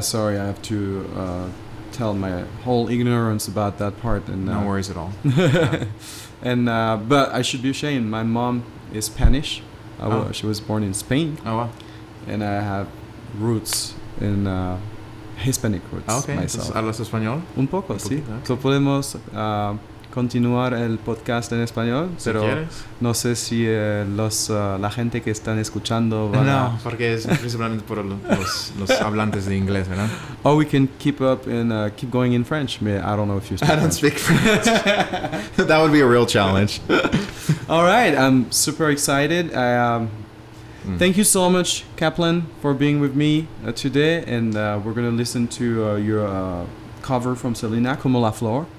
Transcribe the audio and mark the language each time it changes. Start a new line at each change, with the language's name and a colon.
English: Sorry, I have to tell my whole ignorance about that part. And no worries at all. Yeah. And but I should be ashamed. My mom is Spanish. She was born in Spain. Oh wow. And I have roots in Hispanic roots myself.
Spanish: ¿Hablas español? Un poco, sí. So podemos continuar el podcast en español. Si pero quieres. No sé si la gente que están escuchando van No, porque es principalmente por los hablantes de inglés, ¿verdad?
English: Or we can keep up and keep going in French. I don't know if you speak French. Speak French. That would be a real challenge. All right, I'm super excited. Thank you so much, Kaplan, for being with me today. And we're going to listen to your cover from Selena, Como la Flor.